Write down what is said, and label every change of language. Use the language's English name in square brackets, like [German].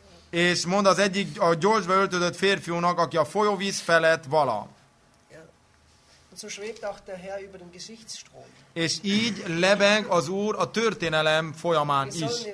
[Hungarian] És mond az egyik a gyolcsba öltözött férfiúnak, aki a folyóvíz felett vala. [German] So schwebt auch der Herr über dem Geschichtsstrom. [Hungarian] És így lebeg az Úr a történelem folyamán is.